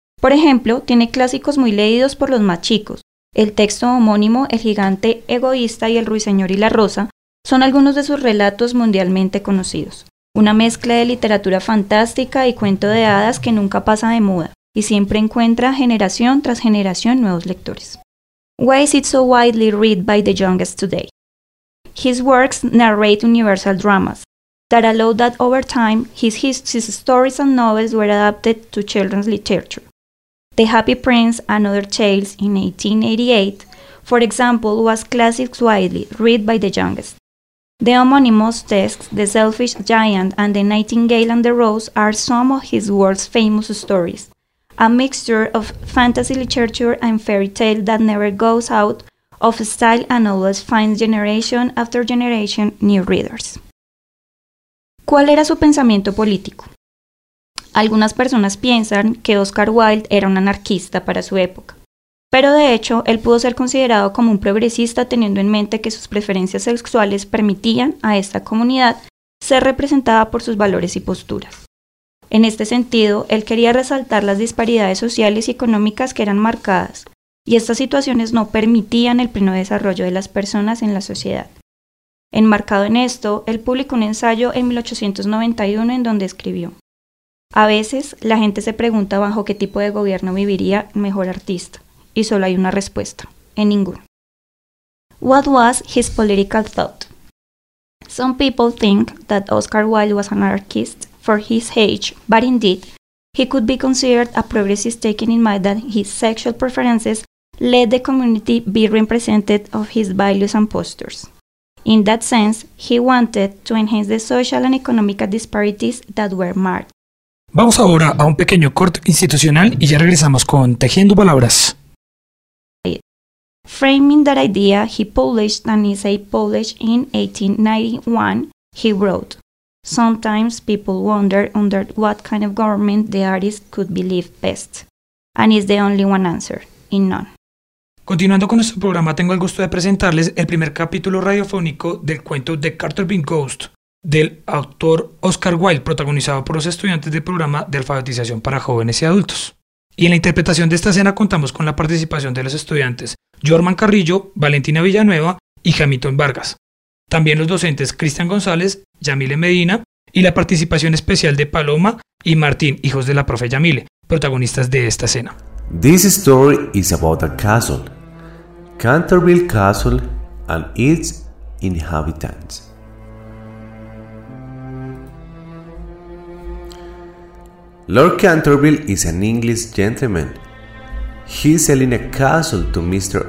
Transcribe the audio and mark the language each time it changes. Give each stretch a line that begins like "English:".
Spanish: Por ejemplo, tiene clásicos muy leídos por los más chicos. El texto homónimo El Gigante Egoísta y El Ruiseñor y la Rosa son algunos de sus relatos mundialmente conocidos. Una mezcla de literatura fantástica y cuento de hadas que nunca pasa de moda y siempre encuentra generación tras generación nuevos lectores.
English: Why is it so widely read by the youngest today? His works narrate universal dramas that allowed that over time his stories and novels were adapted to children's literature. The Happy Prince and Other Tales in 1888, for example, was classics widely read by the youngest. The homonymous texts The Selfish Giant and The Nightingale and the Rose are some of his world's famous stories, a mixture of fantasy literature and fairy tale that never goes out of style and always finds generation after generation new readers.
Spanish: ¿Cuál era su pensamiento político? Algunas personas piensan que Oscar Wilde era un anarquista para su época, pero de hecho, él pudo ser considerado como un progresista teniendo en mente que sus preferencias sexuales permitían a esta comunidad ser representada por sus valores y posturas. En este sentido, él quería resaltar las disparidades sociales y económicas que eran marcadas, y estas situaciones no permitían el pleno desarrollo de las personas en la sociedad. Enmarcado en esto, él publicó un ensayo en 1891 en donde escribió: "A veces, la gente se pregunta bajo qué tipo de gobierno viviría el mejor artista, y solo hay una respuesta: en ninguno."
English: What was his political thought? Some people think that Oscar Wilde was an anarchist for his age, but indeed, he could be considered a progressist taking in mind that his sexual preferences let the community be represented of his values and postures. In that sense, he wanted to enhance the social and economic disparities that were marked.
Spanish: Vamos ahora a un pequeño corte institucional y ya regresamos con Tejiendo Palabras.
English: Framing that idea, he published an essay published in 1891, he wrote, "Sometimes people wonder under what kind of government the artist could be lived best, and is the only one answer, in none."
Spanish: Continuando con nuestro programa, tengo el gusto de presentarles el primer capítulo radiofónico del cuento The Carter Bean Ghost, del autor Oscar Wilde, protagonizado por los estudiantes del programa de alfabetización para jóvenes y adultos. Y en la interpretación de esta escena contamos con la participación de los estudiantes Jorman Carrillo, Valentina Villanueva y Jamilton Vargas. También los docentes Cristian González, Yamile Medina y la participación especial de Paloma y Martín, hijos de la profe Yamile, protagonistas de esta escena.
English: This story is about a castle, Canterville Castle and its inhabitants. Lord Canterville is an English gentleman. He is selling a castle to Mr.